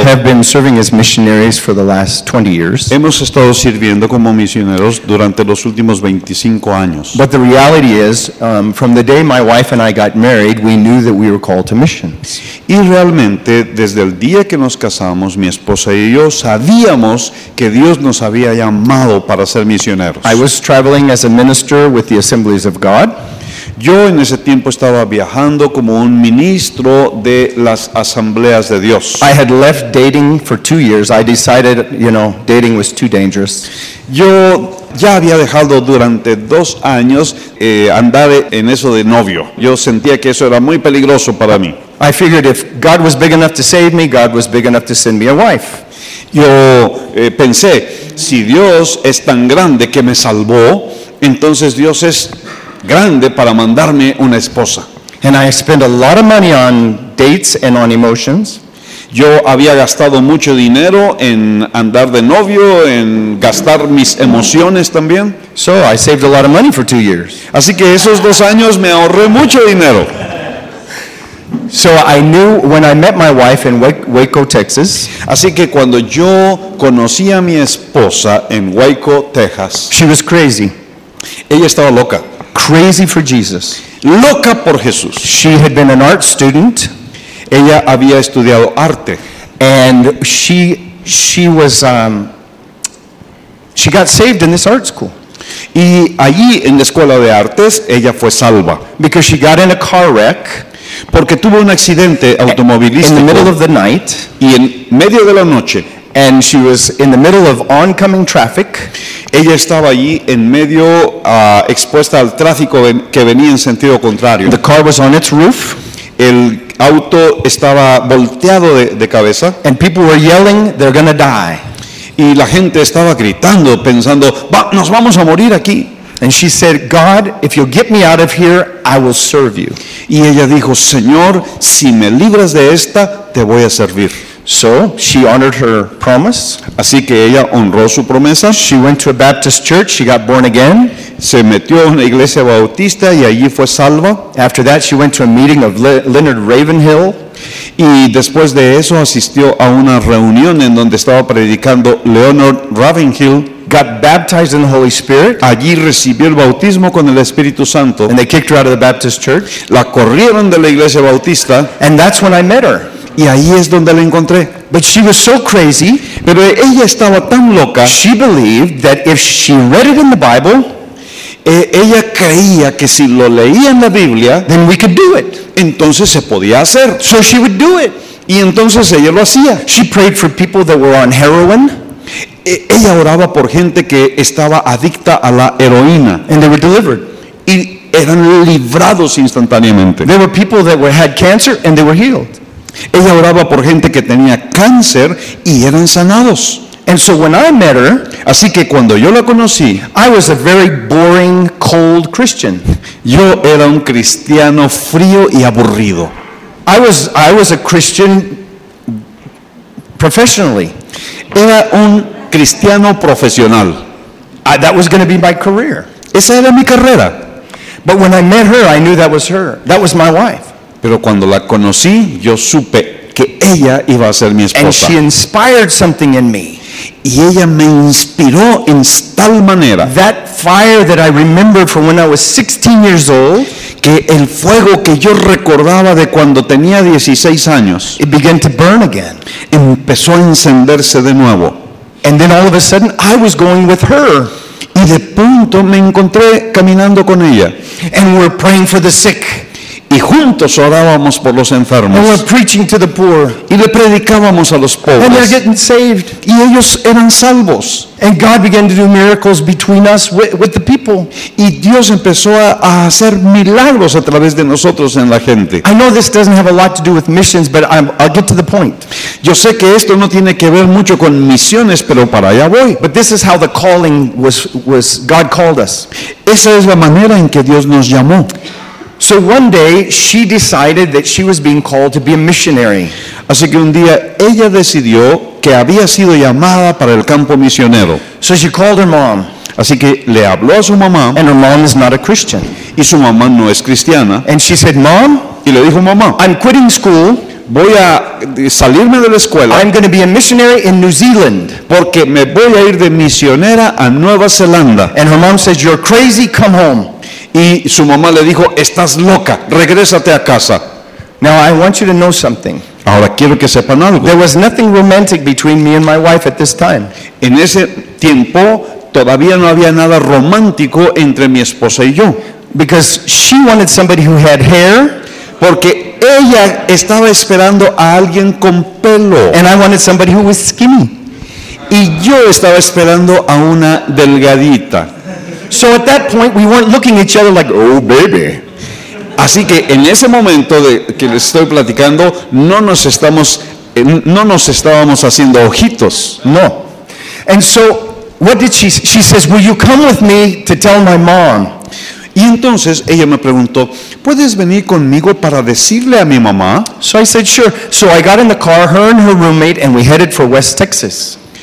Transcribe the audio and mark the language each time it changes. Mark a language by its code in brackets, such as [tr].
[en] have been serving as missionaries for the last 20 years. [es] Hemos estado sirviendo como misioneros durante los últimos 25 años. [en] But the reality is, from the day my wife and I got married, we knew that we were called to missions. [es] Y realmente, desde el día que nos casamos, mi esposa y yo sabíamos que Dios nos había llamado para ser misioneros. [en] I was traveling as a minister with the Assemblies of God. [es] Yo en ese tiempo estaba viajando como un ministro de las Asambleas de Dios. [en] I had left dating for 2 years. I decided, you know, dating was too dangerous. [es] Yo ya había dejado durante 2 años andar en eso de novio. Yo sentía que eso era muy peligroso para mí. [en] I figured if God was big enough to save me, God was big enough to send me a wife. [es] Yo pensé, si Dios es tan grande que me salvó, entonces Dios es grande para mandarme una esposa. [en] And I spent a lot of money on dates and on emotions. [es] Yo había gastado mucho dinero en andar de novio, en gastar mis emociones también. [en] So I saved a lot of money for 2 years. [es] Así que esos 2 años me ahorré mucho dinero. [en] So I knew when I met my wife in Waco, Texas. [es] Así que cuando yo conocí a mi esposa en Waco, Texas. [en] She was crazy. [es] Ella estaba loca. [en] Crazy for Jesus. [es] Loca por Jesús. [en] She had been an art student. [es] Ella había estudiado arte. [en] And she got saved in this art school. [es] Y allí en la escuela de artes, ella fue salva. [en] Because she got in a car wreck. [es] Porque tuvo un accidente automovilístico. [en] In the middle of the night. [es] Y en medio de la noche. [en] And she was in the middle of oncoming traffic. [es] Ella estaba allí en medio expuesta al tráfico que venía en sentido contrario. [en] The car was on its roof. [es] El auto estaba volteado de cabeza. [en] And people were yelling, "They're gonna die." [es] Y la gente estaba gritando, pensando, "Nos vamos a morir aquí." [en] And she said, "God, if you'll get me out of here, I will serve you." [es] Y ella dijo, "Señor, si me libras de esta, te voy a servir." [en] So she honored her promise. [es] Así que ella honró su promesa. [en] She went to a Baptist church. She got born again. [es] Se metió en una iglesia bautista y allí fue salva. [en] After that, she went to a meeting of Leonard Ravenhill. [es] Y después de eso asistió a una reunión en donde estaba predicando Leonard Ravenhill. [en] Got baptized in the Holy Spirit. [es] Allí recibió el bautismo con el Espíritu Santo. [en] And they kicked her out of the Baptist church. [es] La corrieron de la iglesia bautista. [en] And that's when I met her. [es] Y ahí es donde la encontré. [en] But she was so crazy. [es] Pero ella estaba tan loca. [en] She believed that if she read it in the Bible, [es] ella creía que si lo leía en la Biblia, [en] then we could do it. [es] Entonces se podía hacer. [en] So she would do it. [es] Y entonces ella lo hacía. [en] She prayed for people that were on heroin. [es] Ella oraba por gente que estaba adicta a la heroína. [en] And they were delivered. [es] Y eran librados instantáneamente. [en] There were people that had cancer and they were healed. [es] Ella oraba por gente que tenía cáncer y eran sanados. [en] And so when I met her, [es] así que cuando yo la conocí, [en] I was a very boring, cold Christian. [es] Yo era un cristiano frío y aburrido. [en] I was a Christian professionally. [es] Era un cristiano profesional. [en] That was going to be my career. [es] Esa era mi carrera. [en] But when I met her, I knew that was her. That was my wife. [es] Pero cuando la conocí, yo supe que ella iba a ser mi esposa. [en] And she inspired something in me. [es] Y ella me inspiró en tal manera. [en] That fire that I remembered from when I was 16 years old, [es] que el fuego que yo recordaba de cuando tenía 16 años, [en] it began to burn again. [es] Empezó a encenderse de nuevo. [en] And then all of a sudden, I was going with her. [es] Y de pronto me encontré caminando con ella. [en] And we're praying for the sick. [es] y juntos orábamos por los enfermos. [en] And we're preaching to the poor. [es] Y le predicábamos a los pobres. [en] And they're getting saved. [es] Y ellos eran salvos. [en] And God began to do miracles between us with the people. [es] Y Dios empezó a hacer milagros a través de nosotros en la gente. [en] I know this doesn't have a lot to do with missions, but I'll get to the point. [es] Yo sé que esto no tiene que ver mucho con misiones, pero para allá voy. [en] But this is how the calling was God called us. [es] Esa es la manera en que Dios nos llamó. [en] So one day she decided that she was being called to be a missionary. [es] Así que un día ella decidió que había sido llamada para el campo misionero. [en] So she called her mom. [es] Así que le habló a su mamá. [en] And her mom is not a Christian. [es] Y su mamá no es cristiana. [en] And she said, "Mom," [es] y le dijo, "Mamá, [en] I'm quitting school. [es] Voy a salirme de la escuela. [en] I'm going to be a missionary in New Zealand. [es] Porque me voy a ir de misionera a Nueva Zelanda." [en] And her mom says, "You're crazy. Come home." [es] Y su mamá le dijo, "Estás loca. Regrésate a casa." [en] Now I want you to know something. [es] Ahora quiero que sepan algo. [en] There was nothing romantic between me and my wife at this time. [es] En ese tiempo todavía no había nada romántico entre mi esposa y yo. [en] Because she wanted somebody who had hair. [es] Porque ella estaba esperando a alguien con pelo. [en] And I wanted somebody who was skinny. [es] Y yo estaba esperando a una delgadita. [en] So at that point we weren't looking at each other like, "Oh, baby." [es] Así que en ese momento de que les estoy platicando, no nos estábamos haciendo ojitos. No. [en] And so what did she says, "Will you come with me to tell my mom?" [es] Y entonces ella me preguntó, "¿Puedes venir conmigo para decirle a mi mamá?" [en] So I said, "Sure." So I got in the car, her and her roommate, and we headed for West Texas.